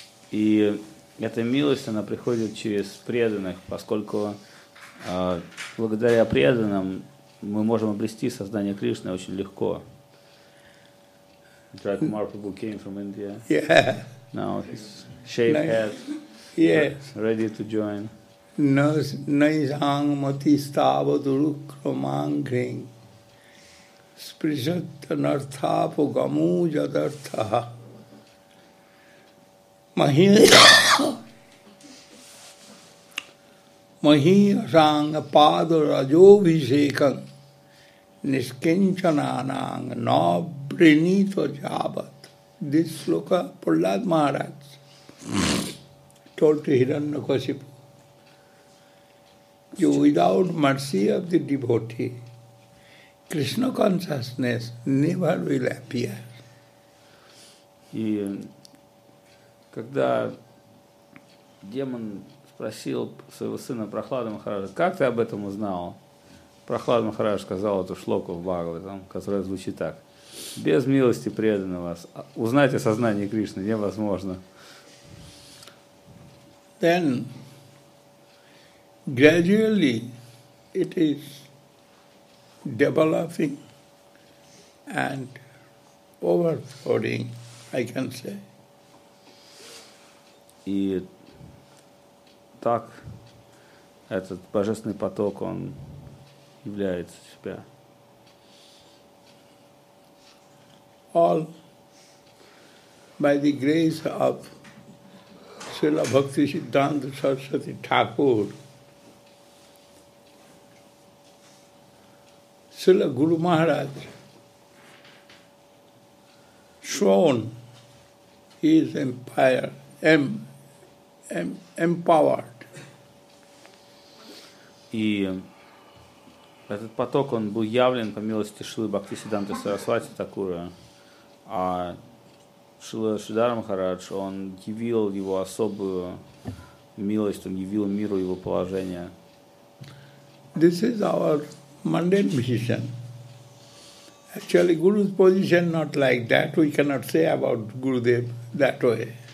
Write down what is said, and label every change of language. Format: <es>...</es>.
<ru>И эта милость, она приходит через преданных, поскольку благодаря преданным мы можем обрести сознание Кришны очень легко.</ru> <en>Jai Kumar Prabhu came from India. Yeah. Now he's shaved head. Yes. Ready to join.</en> <sa>Naisang mati stavaduru kramangring sprishat narthapu gamu jadartha Mahi Rang Padura Jovishekan Niskinchananang Nobrinito Jabat.</sa> <en>This sloka Prahlad Maharaj told to Hiranyakashipu. You without mercy of the devotee, Krishna consciousness never will appear.</en> <ru>Когда демон спросил своего сына Прохлада Махараджа, как ты об этом узнал? Прохлад Махарадж сказал эту шлоку в Бхагаватам, которая звучит так. Без милости преданного узнать о сознании Кришны невозможно.</ru> <en>Then, gradually, it is developing and overflowing, I can say.</en> <ru>И так этот божественный поток, он является себя.</ru> <en>All by the grace of Srila Bhakti Siddhanta Saraswati Thakur, Srila Guru Maharaj shown his empire, empowered.</en> <ru>И этот поток, он был явлен по милости Шилы Бхактисиддханты Сарасвати Такура, а Шрила Шридхара Махарадж, он явил его особую милость, он явил миру его положение.</ru> <en>This is our mundane position. Actually, Guru's position not like that. We cannot say about Gurudev that way.</en>